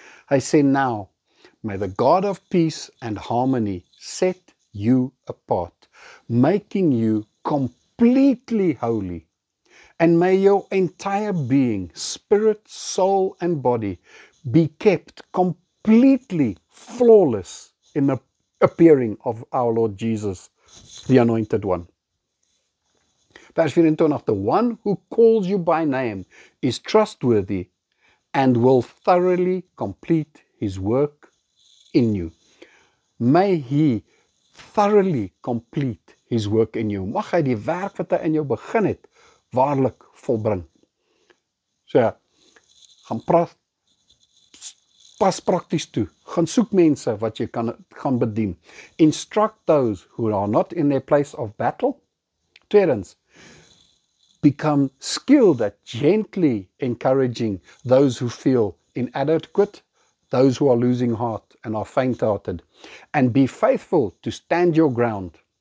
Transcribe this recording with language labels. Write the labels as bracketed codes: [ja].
[en] Hy sê, now, may the God of peace and harmony set you apart, making you completely holy, and may your entire being, spirit, soul, and body, be kept completely flawless in the appearing of our Lord Jesus, the Anointed One. [af] Vers 24, [en] the one who calls you by name is trustworthy and will thoroughly complete his work in you. May he thoroughly complete his work in you. [af] Mag hy die werk wat hy in jou begin het, waarlik volbring. So, gaan pas prakties toe. Gaan soek mense wat jy kan gaan bedien. [en] Instruct those who are not in their place of battle. [af] Tweedens, [en] become skilled at gently encouraging those who feel inadequate, those who are losing heart and are faint-hearted, and be faithful to stand your ground.